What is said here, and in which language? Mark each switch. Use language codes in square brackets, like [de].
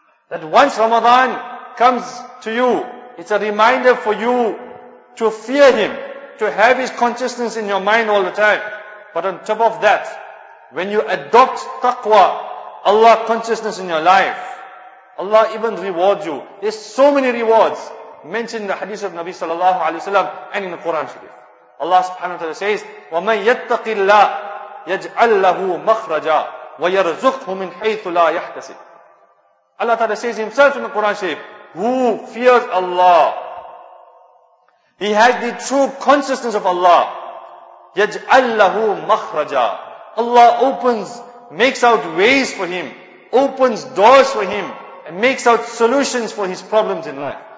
[en] That once Ramadan comes to you, it's a reminder for you to fear Him, to have His consciousness in your mind all the time. But on top of that, when you adopt taqwa, Allah consciousness in your life, Allah even rewards you. There's so many rewards mentioned in the hadith of Nabi sallallahu alayhi wa sallam and in the Quran Sharif. Allah subhanahu wa ta'ala says, [ar] وَمَنْ يَتَّقِ اللَّهِ يَجْعَلْ لَهُ مَخْرَجًا وَيَرْزُقْهُ مِنْ حَيْثُ لَا يَحْتَسِبْ. [en] Allah ta'ala says Himself in the Quran Sharif, who fears Allah, he has the true consciousness of Allah, [ar] يَجْعَلْ لَهُ مَخْرَجًا. [en] Allah opens, makes out ways for him, opens doors for him, and makes out solutions for his problems in life.